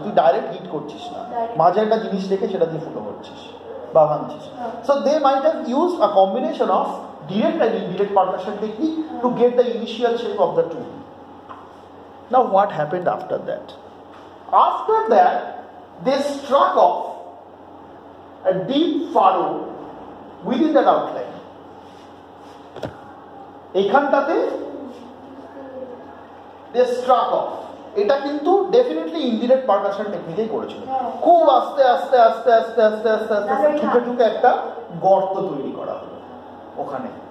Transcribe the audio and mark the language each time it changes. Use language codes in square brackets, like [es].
[bn] তুই direct hit করছিস না, মাঝে একটা জিনিস রেখে সেটা দিয়ে ফুটো করছিস. [en] So they might have used a combination of direct and indirect percussion technique to get the initial shape of the tool. Now what happened after that? After that, they struck off a deep furrow within that outline. [bn] এখানটাতে [en] they struck off, [bn] এটা কিন্তু definitely indirect partnership টেকনিকেই করেছিল, খুব আস্তে আস্তে আস্তে আস্তে আস্তে আস্তে আস্তে ঠুকে ঠুকে একটা গর্ত তৈরি করা হলো ওখানে।